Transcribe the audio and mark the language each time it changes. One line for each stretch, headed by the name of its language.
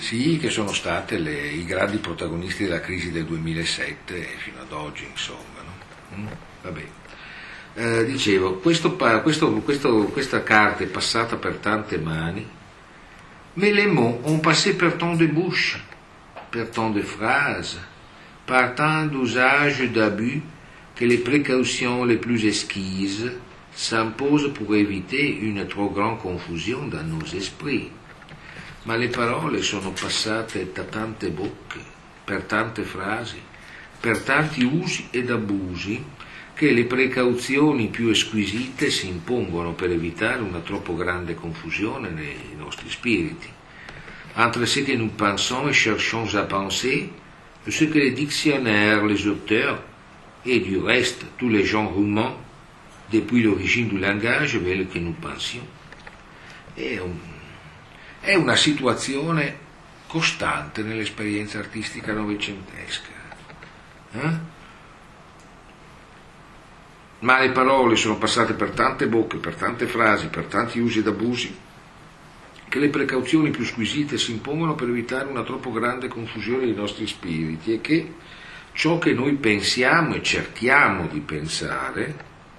Italian: sì, che sono state i grandi protagonisti della crisi del 2007 fino ad oggi, insomma, no? Vabbè. Dicevo, questa carta è passata per tante mani,
French: mais les mots ont passé per tant de bouche, par tant de phrases, par tant d'usages d'abus que les précautions les plus exquises s'imposent pour éviter une trop grande confusion dans nos esprits. Mais les paroles sont
Italian: passate da tante bocche, per tante frasi, per tanti usi ed abusi, che le precauzioni più esquisite si impongono per evitare una troppo grande confusione nei nostri spiriti.
French: Entre ce que nous pensons et cherchons à penser, ce que les dictionnaires, les auteurs et du reste tous les gens humains, depuis l'origine du langage, veulent que nous pensions.
Italian: È una situazione costante nell'esperienza artistica novecentesca. Ma le parole sono passate per tante bocche, per tante frasi, per tanti usi ed abusi, che le precauzioni più squisite si impongono per evitare una troppo grande confusione dei nostri spiriti e che ciò che noi pensiamo e cerchiamo di pensare,